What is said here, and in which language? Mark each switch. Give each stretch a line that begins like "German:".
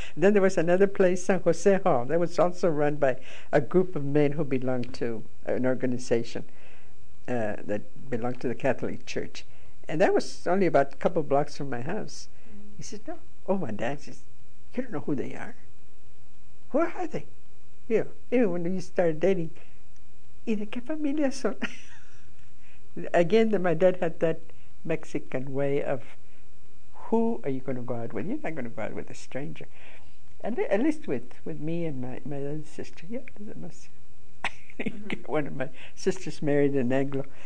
English: And then there was another place, San Jose Hall, that was also run by a group of men who belonged to an organization that belonged to the Catholic Church. And that was only about a couple blocks from my house. He says, no. Oh, my dad says, you don't know who they are. Where are they? Yeah. Even when you started dating,
Spanish: ¿y de qué familia son?
English: Again, my dad had that Mexican way of, who are you going to go out with? You're not going to go out with a stranger. At least with me and my other sister. Yeah, it must be. One of my sisters married an Anglo.